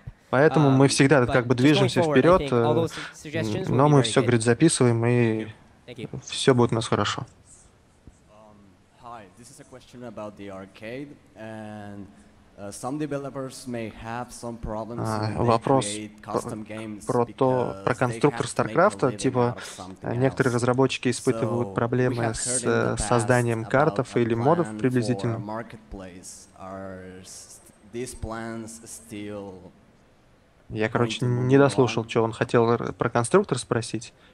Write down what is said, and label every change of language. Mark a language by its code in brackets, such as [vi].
[ru] Поэтому мы всегда как бы движемся вперед, но мы все, говорит, записываем, и все будет у нас хорошо. [en] Hi, this is a question about the arcade, and some developers may have some problems [ru] про конструктор StarCraft, типа некоторые разработчики испытывают проблемы с созданием картов или модов приблизительно. Я, короче, не дослушал, что он хотел про конструктор спросить.